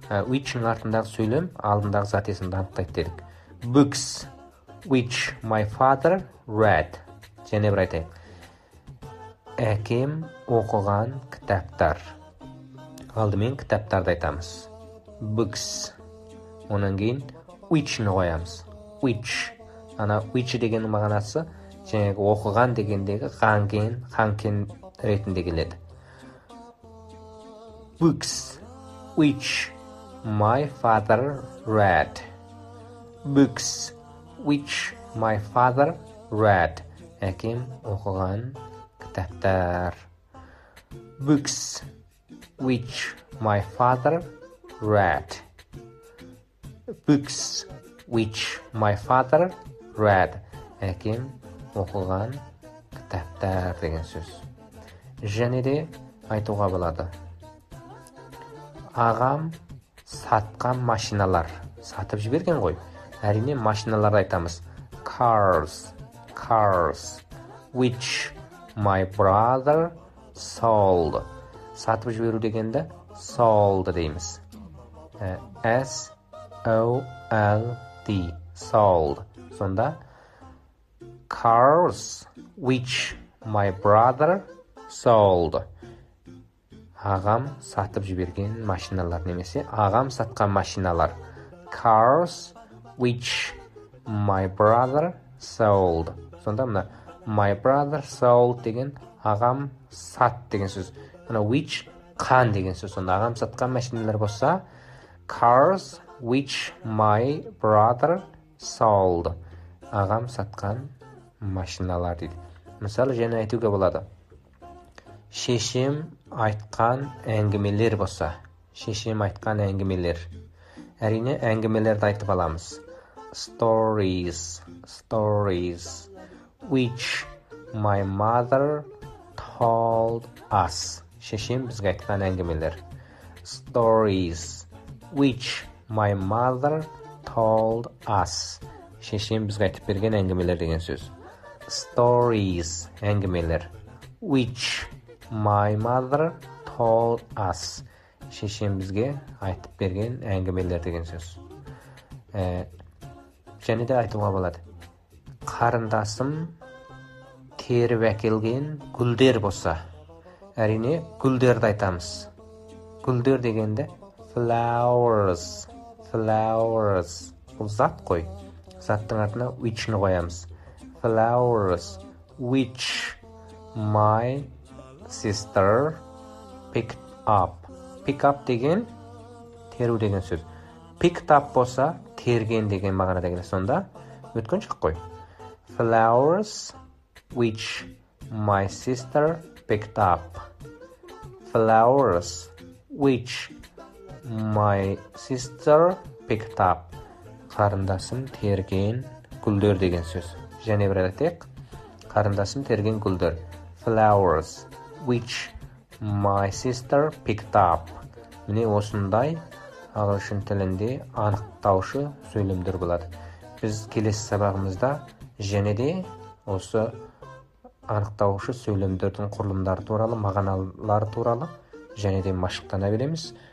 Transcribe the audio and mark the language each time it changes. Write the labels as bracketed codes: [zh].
[kk] Which-ның артындағы сөйлем, алдындағы зат есімді анықтайды дедік. [en] Books which my father read. [kk] Және бір айтайық. Әкем оқыған кітаптар. Алдымен кітаптарды айтамыз. [en] Books. [kk] Онан кейін which-ны қоямыз. [en] Which. [kk] Ана which деген мағынасы, және оқыған дегендегі қанкен ретінде келеді. [en] Books which my father read. Books which my father read. [kk] Әкем оқыған кітаптар. [en] Books which my father read. Books which my father read. [kk] Әкем оқыған кітаптар деген сөз. Және де айтуға болады. Ағам сатқан машиналар. Сатып жіберген ғой. Әрине машиналарды айтамыз. [en] cars, cars, which my brother sold. [kk] Сатып жіберу дегенде sold дейміз. [en] S-O-L-D, sold. Сонда cars, which my brother sold. [kk] Ағам сатып жіберген машиналар, немесе ағам сатқан машиналар. [en] Cars, which my brother sold. [kk] Сонда мына [en] my brother sold [kk] деген ағам сат деген сөз. Мына which қан деген сөз. Сонда ағам сатқан машиналар болса, [en] cars, which my brother sold. [kk] Ағам сатқан машиналар дейді. Мысалы, жені айтуға болады. Шешем айтқан әңгімелер болса, шешем айтқан әңгімелер. Әрине әңгімелерді айтып аламыз. [en] Stories, stories, which my mother told us. [kk] Шешем бізге айтқан әңгімелер. [en] Stories, which my mother told us. [kk] Шешем бізге айтып берген әңгімелер деген сөз. [en] Stories, [kk] әңгімелер, [en] which my mother told us. [kk] Шешем бізге айтып берген әңгімелер деген сөз. Және де айтуға болады. Қарындасым теріп әкелген гүлдер болса. Әрине гүлдерді айтамыз. Гүлдер дегенде [en] flowers, flowers. [kk] Бұл зат қой. Заттың артына which-ні қоямыз. [en] Flowers, which my sister picked up. Pick up [kk] деген теру деген сөз. [en] Picked up [kk] болса терген деген мағына деген. Сонда өткен шық қой. [en] Flowers, which my sister picked up. Flowers, which my sister picked up. [kk] Қарындасым терген гүлдер деген сөз. Және бір айтайық. Қарындасым терген гүлдер. [en] Flowers, which my sister picked up. [kk] Міне осындай ағылшын тілінде анықтаушы сөйлемдер болады. Біз келесі сабағымызда және де осы анықтаушы сөйлемдердің құрылымдары туралы, мағыналары туралы және де машықтана береміз.